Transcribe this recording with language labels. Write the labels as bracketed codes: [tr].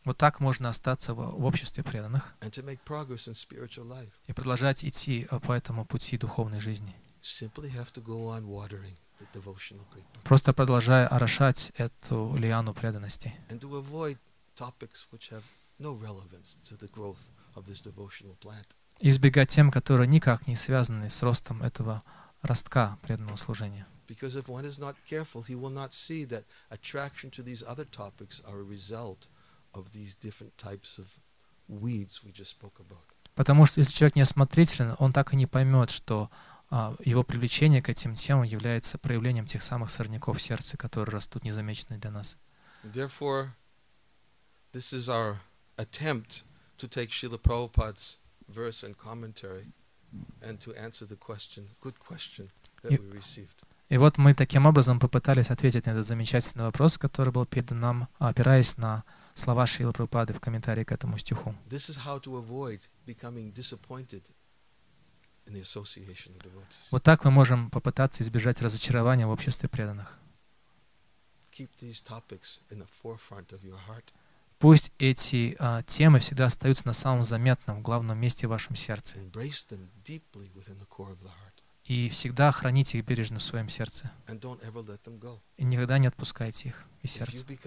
[ru] Вот так можно остаться в обществе преданных. [en] And to make progress in spiritual life. [ru] И продолжать идти по этому пути духовной жизни. [en] Simply have to go on watering the devotional creeper. [ru] Просто продолжая орошать эту лиану преданности. [en] And to avoid topics which have no relevance to the growth of this devotional plant. [ru] Избегать тем, которые никак не связаны с ростом этого ростка преданного служения. [en] Because if one is not careful, he will not see that attraction to these other topics are a result of these different types of weeds we just spoke about. [ru] Потому что если человек не осмотрителен, он так и не поймет, что его привлечение к этим темам является проявлением тех самых сорняков в сердце, которые растут незамеченные для нас. [en] Therefore, this is our attempt to take Srila Prabhupada's verse and commentary and to answer the question, good question that we received. [ru] И вот мы таким образом попытались ответить на этот замечательный вопрос, который был передан нам, опираясь на слова Шрилы Прабхупады в комментарии к этому стиху. [en] This is how to avoid becoming disappointed in the association of devotees. [ru] Вот так мы можем попытаться избежать разочарования в обществе преданных. [en] Keep these topics in the forefront of your heart. [ru] Пусть эти темы всегда остаются на самом заметном, главном месте в вашем сердце. [en] Embrace them deeply within the core of the heart. [ru] И всегда храните их бережно в своем сердце. И никогда не отпускайте их из сердца.